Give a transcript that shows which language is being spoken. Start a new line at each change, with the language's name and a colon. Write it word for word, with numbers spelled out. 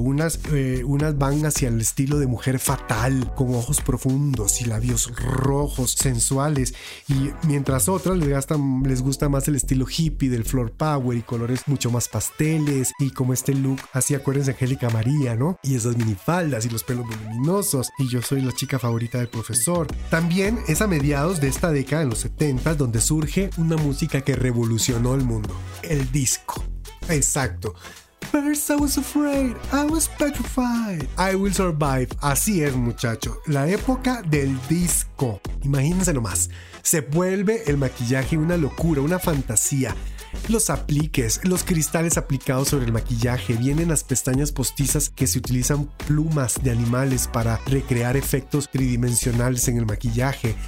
Spanish: Unas, eh, unas van hacia el estilo de mujer fatal, con ojos profundos y labios rojos, sensuales, y mientras otras les, gastan, les gusta más el estilo hippie del floor power y colores mucho más pasteles, y como este look, así acuérdense, Angélica María, ¿no? Y esas minifaldas y los pelos voluminosos, y yo soy la chica favorita del profesor. También es a mediados de esta década, en los setentas, donde surge una música que revolucionó el mundo: el disco. Exacto.
English: First I was afraid, I was petrified, I will survive.
Spanish: Así es, muchacho, la época del disco. Imagínense nomás, se vuelve el maquillaje una locura, una fantasía. Los apliques, los cristales aplicados sobre el maquillaje, vienen las pestañas postizas, que se utilizan plumas de animales para recrear efectos tridimensionales en el maquillaje.